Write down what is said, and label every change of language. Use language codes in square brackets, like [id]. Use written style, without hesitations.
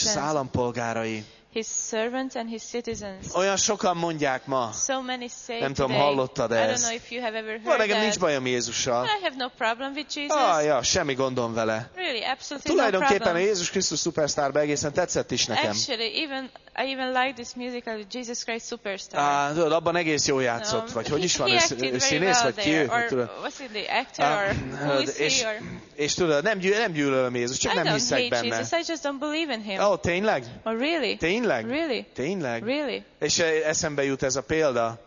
[hu] és az állampolgárai. [en] His servants and his citizens. [hu] Olyan sokan mondják ma, [en] so many say [hu] nem tudom, hallottad ezt. Van, nekem nincs bajom Jézussal. [en] I have no problem with Jesus. [hu] Semmi gondom vele. [en] Really, absolutely [hu] tulajdonképpen [en] no [hu] a Jézus Krisztus szupersztár egészen tetszett is nekem. [en] Actually, I even like this musical, Jesus Christ Superstar. [hu] Tudod, abban egész jól játszott, vagy hogy is van, ő színész, vagy ki ő? [en] Or was he the actor, [hu] és tudod, nem gyűlölöm Jézus, csak [en] I [hu] nem hiszek benne. [en] Jesus, I just don't believe in him. [hu] Oh, tényleg? [en] Oh, really? [hu] Tényleg? [en] Really? [hu] Tényleg? [en] Really? [hu] És eszembe jut ez a példa.